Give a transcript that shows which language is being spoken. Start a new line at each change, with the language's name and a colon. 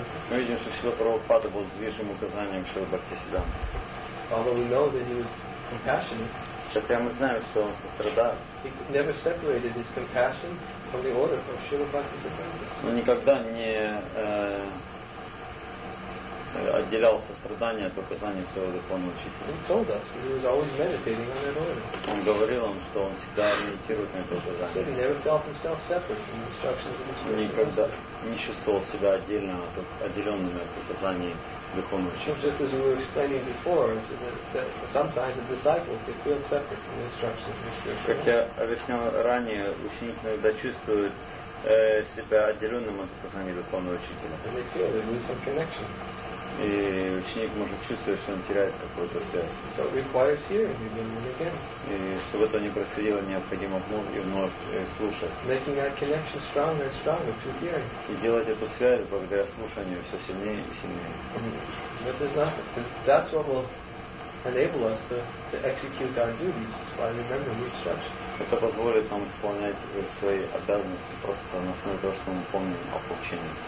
Russian: Мы видим, что Шрила Прабхупада был движим указанием Шрила Бхактисиддханты.
English: Although we know that he was compassionate,
Russian: хотя мы знаем, что он сострадал,
English: he never separated his compassion from the order of Шрила
Russian: Бхактисиддханты. Он никогда не отделял сострадание от указания своего духовного учителя.
English: He told us he was always meditating on that order.
Russian: Он говорил им, что он всегда медитирует на это указание.
English: He never felt himself separate from the instructions of the spiritual master.
Russian: Никогда не чувствовал себя отделенным от указаний духовного учителя.
English: Just as we were explaining before, that sometimes the disciples they feel separate from the instructions of the spiritual master.
Russian: Как я объяснял ранее, ученик иногда чувствует себя отделенным от указаний духовного учителя.
English: And they feel they lose some connection.
Russian: И ученик может чувствовать, что он теряет какую-то связь.
English: So it requires hearing again and again.
Russian: И чтобы это не происходило, необходимо вновь и вновь слушать.
English: Making that connection stronger and stronger through hearing.
Russian: И делать эту связь благодаря слушанию все сильнее и сильнее.
English: But there's nothing. That's what will enable us to execute our duties by remembering the instructions.
Russian: Это позволит нам исполнять свои обязанности просто на основе того, что мы помним о поучении.